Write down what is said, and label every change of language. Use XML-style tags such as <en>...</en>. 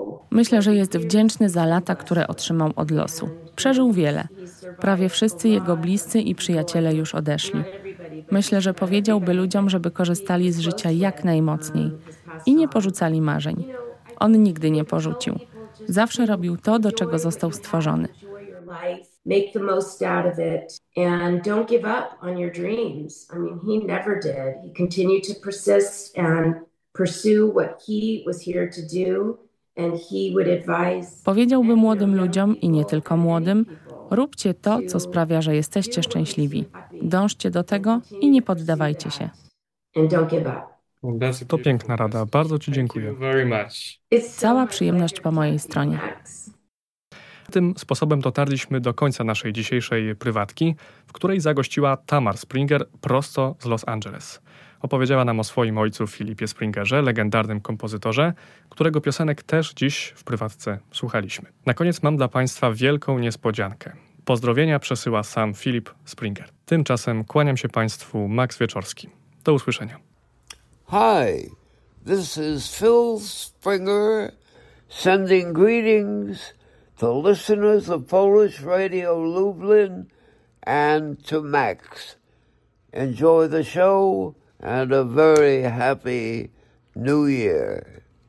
<pl>Myślę, że jest wdzięczny za lata, które otrzymał od losu. Przeżył wiele. Prawie wszyscy jego bliscy i przyjaciele już odeszli. Myślę, że powiedziałby ludziom, żeby korzystali z życia jak najmocniej i nie porzucali marzeń. On nigdy nie porzucił. Zawsze robił to, do czego został stworzony.</pl> <en>Make the most out of it and don't give up on your dreams. I mean, he never did. He continued to persist and pursue what he was here to do. And he would advise.</en> <pl>Powiedziałby młodym ludziom i nie tylko młodym, róbcie to, co sprawia, że jesteście szczęśliwi. Dążcie do tego i nie poddawajcie się.</pl> <en>And don't give up.</en> <pl>To piękna rada. Bardzo ci dziękuję.</pl> <en>Very much.</en> <pl>Cała przyjemność po mojej stronie. tym sposobem dotarliśmy do końca naszej dzisiejszej prywatki, w której zagościła Tamar Springer prosto z Los Angeles. Opowiedziała nam o swoim ojcu Filipie Springerze, legendarnym kompozytorze, którego piosenek też dziś w prywatce słuchaliśmy. Na koniec mam dla Państwa wielką niespodziankę. Pozdrowienia przesyła sam Filip Springer. Tymczasem kłaniam się Państwu, Max Wieczorski. Do usłyszenia.</pl> <en>Hi, this is Phil Springer sending greetings to listeners of Polish Radio Lublin and to Max. Enjoy the show and a very happy new year.</en>